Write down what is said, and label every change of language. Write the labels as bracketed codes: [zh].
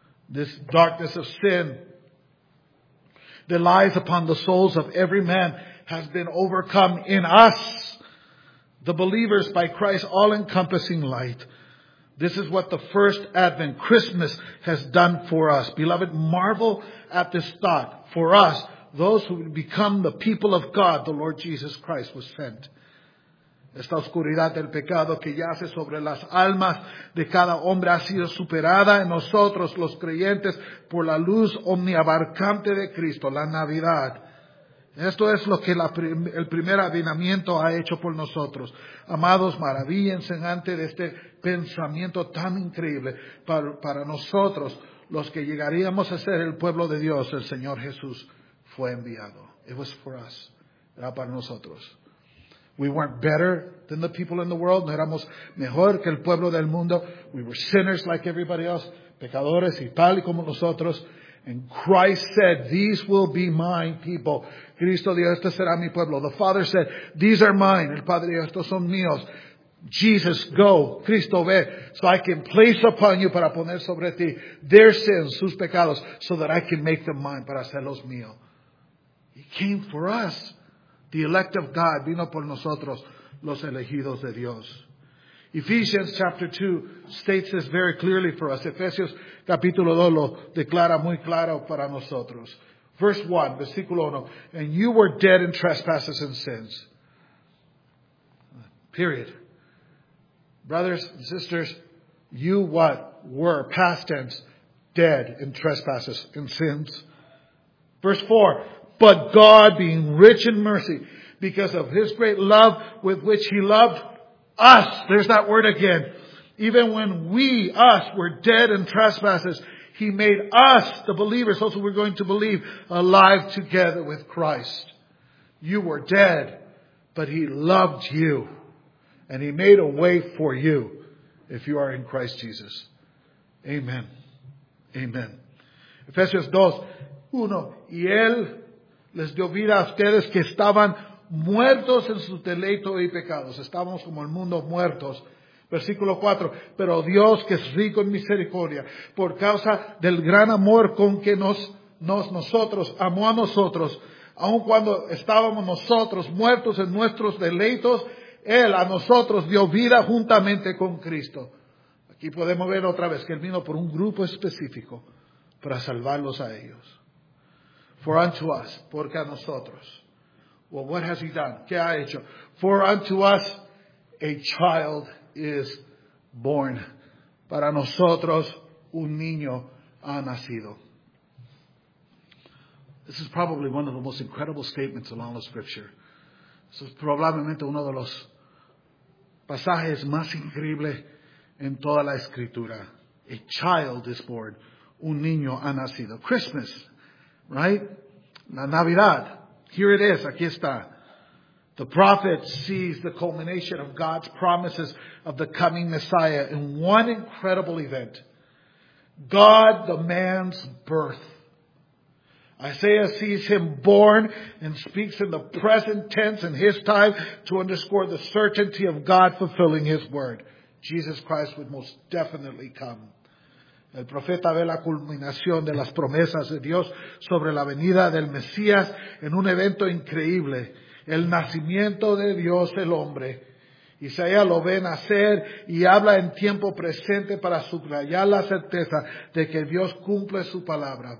[en] This darkness of sin that lies upon the souls of every man has been overcome in us, the believers, by Christ's all-encompassing light. This is what the first Advent, Christmas, has done for us. Beloved, marvel at this thought. For us, those who become the people of God, the Lord Jesus Christ was sent. [es] Esta oscuridad del pecado que yace sobre las almas de cada hombre ha sido superada en nosotros, los creyentes, por la luz omniabarcante de Cristo, la Navidad. Esto es lo que el primer avivamiento ha hecho por nosotros. Amados, maravíllense ante este pensamiento tan increíble para nosotros, los que llegaríamos a ser el pueblo de Dios. El Señor Jesús fue enviado. [en] It was for us. [es] Era para nosotros. [en] We weren't better than the people in the world. [es] No éramos mejor que el pueblo del mundo. [en] We were sinners like everybody else. [es] Pecadores y tal y como nosotros. [en] And Christ said, these will be my people. [es] Cristo dijo, este será mi pueblo. [en] The Father said, these are mine. [es] El Padre dijo, estos son míos. [en] Jesus, go. [es] Cristo, ve. [en] So I can place upon you, [es] para poner sobre ti, [en] their sins, [es] sus pecados, [en] so that I can make them mine, [es] para hacerlos míos. [en] He came for us. The elect of God, [es] vino por nosotros, los elegidos de Dios. [en] Ephesians chapter 2 states this very clearly for us. [es] Efesios capítulo 2 lo declara muy claro para nosotros. [en] Verse 1, versículo 1. And you were dead in trespasses and sins. Period. Brothers and sisters, you what? Were, past tense, dead in trespasses and sins. Verse 4. But God, being rich in mercy, because of his great love with which he loved us, there's that word again, even when us were dead in trespasses, he made us, the believers, those who were going to believe, alive together with Christ. You were dead, but he loved you, and he made a way for you if you are in Christ Jesus. Amen. Amen. Ephesians 2, 1. [es] Y él les dio vida a ustedes que estaban muertos en su deleito y pecados. Estábamos como el mundo muertos. Versículo 4. Pero Dios, que es rico en misericordia, por causa del gran amor con que nosotros amó a nosotros, aun cuando estábamos nosotros muertos en nuestros deleitos, Él a nosotros dio vida juntamente con Cristo. Aquí podemos ver otra vez que Él vino por un grupo específico para salvarlos a ellos. [en] For unto us, [es] porque a nosotros. [en] Well, what has he done? [es] ¿Qué ha hecho? [en] For unto us, a child is born. [es] Para nosotros, un niño ha nacido. [en] This is probably one of the most incredible statements along the scripture. [es] Esto es probablemente uno de los pasajes más increíbles en toda la escritura. [en] A child is born. [es] Un niño ha nacido. [en] Christmas, right? [es] La Navidad, [en] here it is, [es] aquí está. [en] The prophet sees the culmination of God's promises of the coming Messiah in one incredible event. God, the man's birth. Isaiah sees him born and speaks in the present tense in his time to underscore the certainty of God fulfilling his word. Jesus Christ would most definitely come. [es] El profeta ve la culminación de las promesas de Dios sobre la venida del Mesías en un evento increíble. El nacimiento de Dios, el hombre. Isaías lo ve nacer y habla en tiempo presente para subrayar la certeza de que Dios cumple su palabra.